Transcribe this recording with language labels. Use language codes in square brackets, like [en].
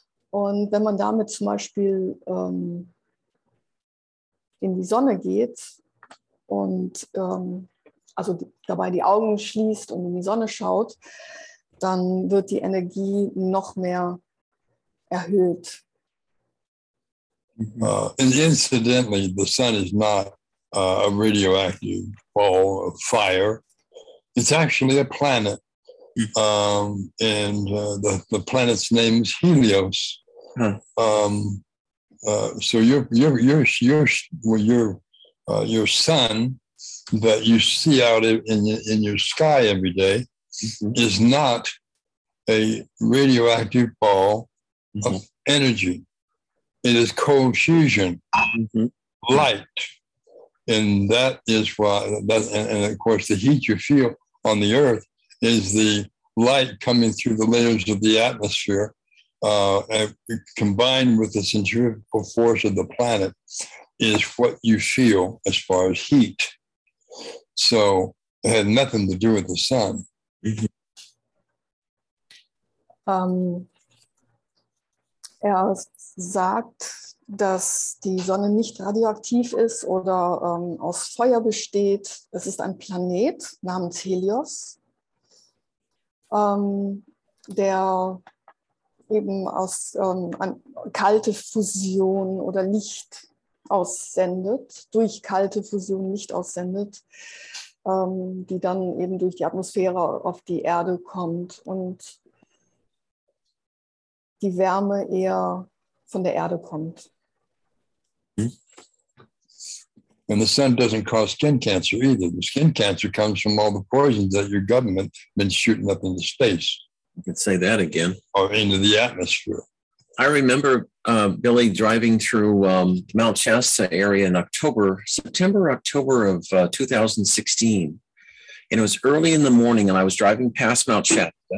[de] Und wenn man damit zum Beispiel in die Sonne geht und also dabei die Augen schließt und in die Sonne schaut, dann wird die Energie noch mehr erhöht. [en] Incidentally, the sun is not a radioactive ball of fire. It's actually a planet. The planet's name is Helios. So your sun that you see out in your sky every day is not a radioactive ball of energy. It is cold fusion, light, and that is why that. And of course, the heat you feel on the Earth is the light coming through the layers of the atmosphere. And combined with the centrifugal force of the planet is what you feel as far as heat. So it had nothing to do with the sun. [de] Er sagt, dass die Sonne nicht radioaktiv ist oder aus Feuer besteht. Es ist ein Planet namens Helios, der eben aus kalte Fusion oder Licht aussendet, durch kalte Fusion Licht aussendet, die dann eben durch die Atmosphäre auf die Erde kommt und die Wärme eher von der Erde kommt. [en] And the sun doesn't cause skin cancer either. The skin cancer comes from all the poisons that your government been shooting up into space. You could say that again. Or into the atmosphere. I remember Billy driving through Mount Shasta area in October of 2016, and it was early in the morning, and I was driving past Mount Shasta.